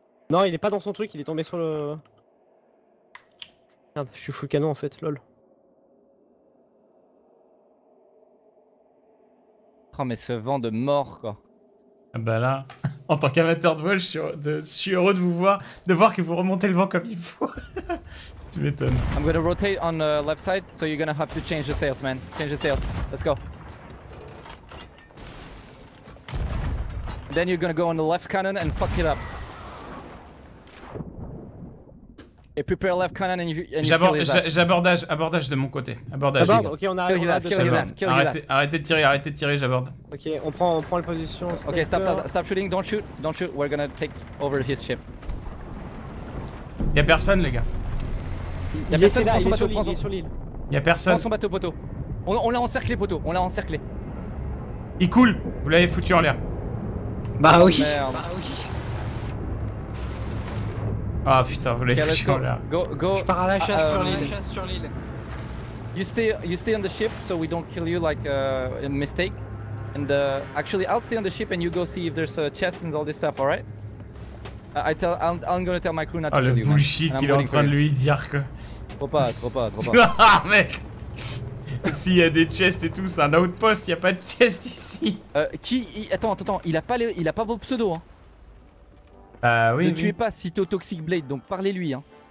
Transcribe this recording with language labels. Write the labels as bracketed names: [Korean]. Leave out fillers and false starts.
[French] Non, il est pas dans son truc, il est tombé sur le. Merde, je suis full canon en fait, lol. Oh, mais ce vent de mort, quoi. Bah là, en tant qu'amateur de vol, je suis heureux de vous voir, de voir que vous remontez le vent comme il faut. Tu m'étonnes. [English] I'm gonna rotate on the left side, so you're gonna have to change the sails, man. Change the sails, let's go. Then you're gonna go on the left cannon and fuck it up. Et prepare left cannon and you kill his ass. [French] J'abordage, abordage de mon côté. Abordage. Abord, ok, on arrive. Arrêtez de tirer, j'aborde. Ok, on prend la position. [English] Ok, stop shooting, don't shoot, we're gonna take over his ship. [French] Y'a personne, les gars. Il est sur l'île. Prends son bateau, poteau. On l'a encerclé, poteau, on l'a encerclé. Il coule, vous l'avez foutu en l'air. Bah oui. Merde. Bah oui. Ah putain, vous l'avez fait chaud là. [English] Go. [French] Je pars à la chasse sur l'île. [English] You stay on the ship so we don't kill you like a mistake. And actually I'll stay on the ship and you go see if there's chests and all this stuff, alright? I'm gonna tell my crew not to kill you. [French] Ah le bullshit qu'il est en train de lui dire que. Trop pas. Ah mec. S'il y a des chests et tout, c'est un outpost, il y a pas de chest ici. Attends, il a pas vos pseudos hein. Bah oui. Ne tuez pas Cito Toxic Blade, donc parlez-lui hein.